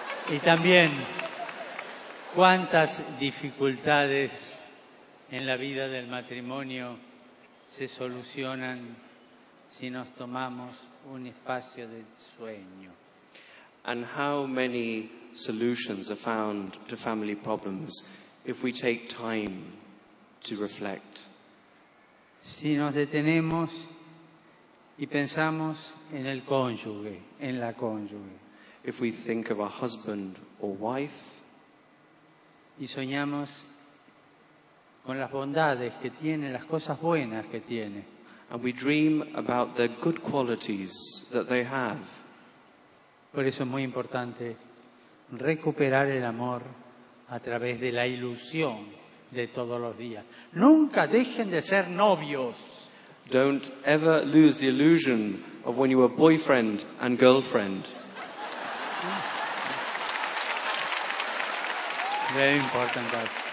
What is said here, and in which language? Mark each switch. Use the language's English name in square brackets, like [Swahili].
[Spanish] Y también, ¿cuántas dificultades en la vida del matrimonio se solucionan si nos tomamos un espacio de sueño? [English] And how many solutions are found to family problems if we take time to reflect? [Spanish] Si nos detenemos y pensamos en el cónyuge, en la cónyuge. [English] If we think of a husband or wife, [Spanish] y soñamos con las bondades que tiene, las cosas buenas que tiene. [English] And we dream about the good qualities that they have. [Spanish] Por eso es muy importante recuperar el amor a través de la ilusión de todos los días. Nunca dejen de ser novios. [English] Don't ever lose the illusion of when you were boyfriend and girlfriend. Very important that.